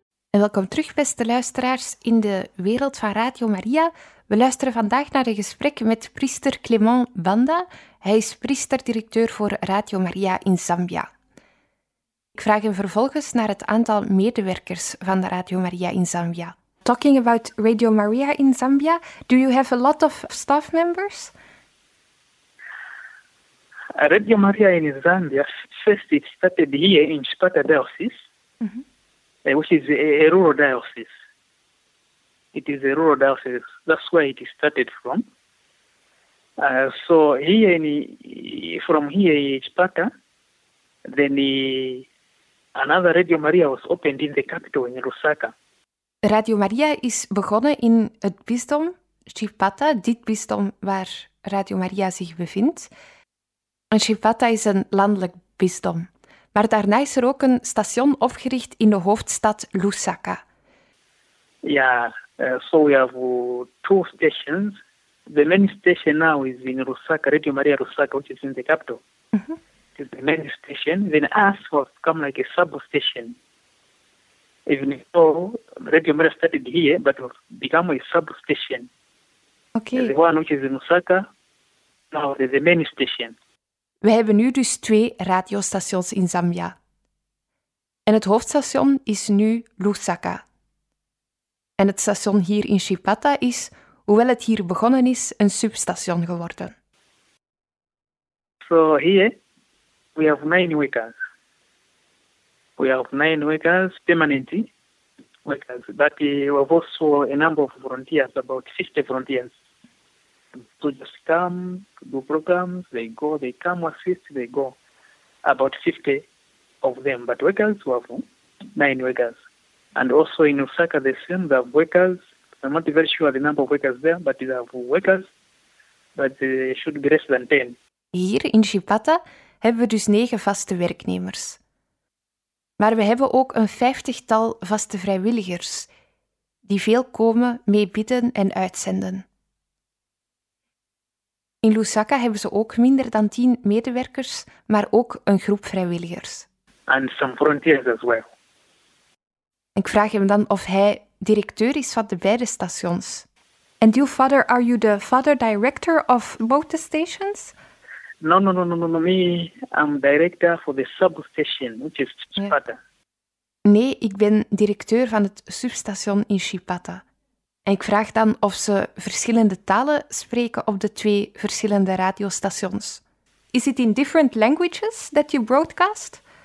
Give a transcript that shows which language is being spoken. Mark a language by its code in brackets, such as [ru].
[nl] En welkom terug, beste luisteraars, in de wereld van Radio Maria. We luisteren vandaag naar een gesprek met priester Clément Banda. Hij is priester-directeur voor Radio Maria in Zambia. Ik vraag hem vervolgens naar het aantal medewerkers van de Radio Maria in Zambia. [en] Talking about Radio Maria in Zambia, do you have a lot of staff members? Radio Maria in Zambia, first it started here in Chipata Diocese, which is a rural diocese. It is a rural diocese, that's where it started from. So here in, from here in Chipata, then another Radio Maria was opened in the capital in Lusaka. [nl] Radio Maria is begonnen in het bisdom Chipata, dit bisdom waar Radio Maria zich bevindt. En Chipata is een landelijk bisdom. Maar daarna is er ook een station opgericht in de hoofdstad Lusaka. [en] Ja, so we have two stations. The main station now is in Lusaka, Radio Maria Lusaka, which is in the capital. It is the main station. Then us have become like a sub-station. Even so, Radio Maria started here, but we've become a sub-station. Okay. The one which is in Lusaka, now is the main station. [nl] We hebben nu dus twee radiostations in Zambia. En het hoofdstation is nu Lusaka. En het station hier in Chipata is, hoewel het hier begonnen is, een substation geworden. [en] So here, we have 9 workers. We have 9 workers, permanent workers. But we have also a number of volunteers, about 60 volunteers. To just come, do programs, they go, they come, assist, they go. About 50 of them. But workers, we have 9 workers. And also in Osaka, the same, they have workers. I'm not very sure the number of workers there, but they have workers. But they should be less than 10. [nl] Hier in Chipata hebben we dus 9 vaste werknemers. Maar we hebben ook een 50-tal vaste vrijwilligers, die veel komen, mee bidden en uitzenden. In Lusaka hebben ze ook minder dan 10 medewerkers, maar ook een groep vrijwilligers. [en] And some volunteers as well. [nl] Ik vraag hem dan of hij directeur is van de beide stations. [en] And you, father, are you the father director of both the stations? No. Me, I'm director for the substation, which is Chipata. [nl] Nee, ik ben directeur van het substation in Chipata. En ik vraag dan of ze verschillende talen spreken op de 2 verschillende radiostations. [en] Is it in different languages that you broadcast?